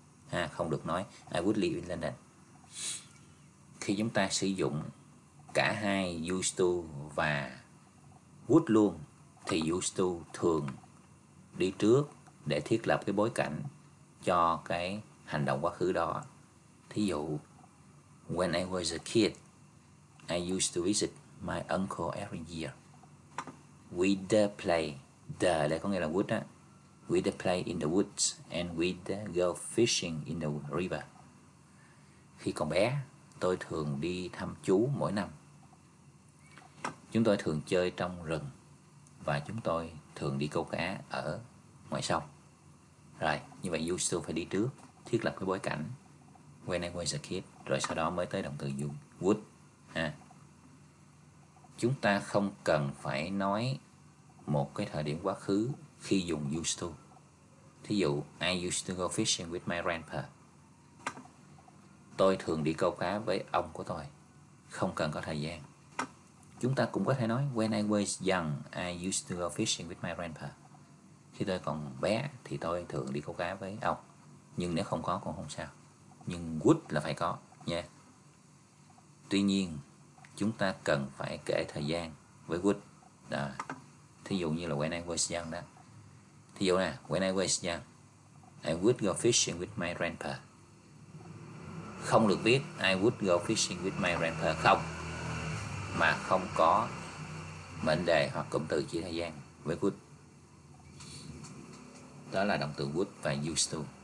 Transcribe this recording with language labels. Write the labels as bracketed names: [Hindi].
[Vietnamese] Ha, không được nói [English] I would live in London. [Vietnamese] Khi chúng ta sử dụng cả hai used to và would luôn thì used to thường đi trước để thiết lập cái bối cảnh cho cái hành động quá khứ đó. Thí dụ, [English] When I was a kid, I used to visit my uncle every year. We'd play, [Vietnamese] đây có nghĩa là wood á. [English] We'd play in the woods and we'd go fishing in the river. [Vietnamese] Khi còn bé, tôi thường đi thăm chú mỗi năm. Chúng tôi thường chơi trong rừng và chúng tôi thường đi câu cá ở ngoài sông. Rồi, như vậy you still phải đi trước, thiết lập cái bối cảnh. [English] When I was a kid, [Vietnamese] rồi sau đó mới tới động từ dùng would. À. Chúng ta không cần phải nói một cái thời điểm quá khứ khi dùng used to. Thí dụ, [English] I used to go fishing with my grandpa. [Vietnamese] Tôi thường đi câu cá với ông của tôi. Không cần có thời gian. Chúng ta cũng có thể nói [English] when I was young, I used to go fishing with my grandpa. [Vietnamese] Khi tôi còn bé thì tôi thường đi câu cá với ông. Nhưng nếu không có cũng không sao. Nhưng would là phải có nha. Tuy nhiên, chúng ta cần phải kể thời gian với would. Đó. Thí dụ như là [English] when I was young [Vietnamese] đó. Thí dụ nè, [English] when I was young, I would go fishing with my grandpa. [Vietnamese] Không được biết [English] I would go fishing with my grandpa [Vietnamese] không, mà không có mệnh đề hoặc cụm từ chỉ thời gian với would. Đó là động từ would và used to.